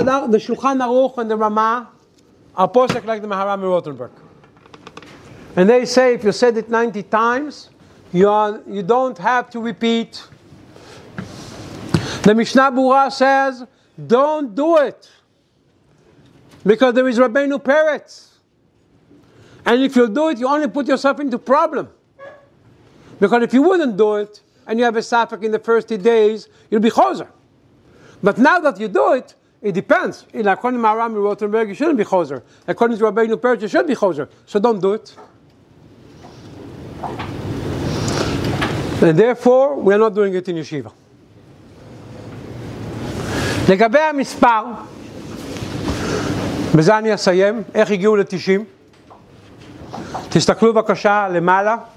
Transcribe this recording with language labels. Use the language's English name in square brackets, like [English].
[Hebrew] בשולחן ערוך ובמה, הפוסק [English] like the Maharam in Rotenberg. And they say, if you said it 90 times, you don't have to repeat. The Mishnah Berurah says, don't do it, because there is Rabbeinu Peretz. And if you do it, you only put yourself into problem. Because if you wouldn't do it, and you have a safek in the first 30 days, you'll be chozer. But now that you do it, it depends. In according to Maharam in Rotenberg, you shouldn't be chozer. According to Rabbeinu Peretz, you should be chozer. So don't do it. And therefore, we are not doing it in yeshiva. [Hebrew] לגבי המספר, בזה אני אסיים, איך הגיעו ל-90? תסתכלו בבקשה למעלה.